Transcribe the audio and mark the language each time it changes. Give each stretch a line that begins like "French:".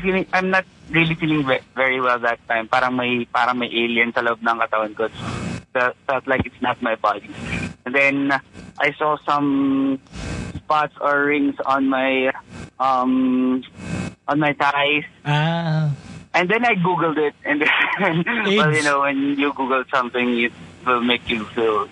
English: I'm not really feeling very well that time.
Filipino: Parang may alien sa loob ng katawan ko.
English: Felt like it's not my body. And then, I saw some... spots or rings on my on my thighs. And then I Googled it. And then, well, you know, when you Google something, it will make you feel...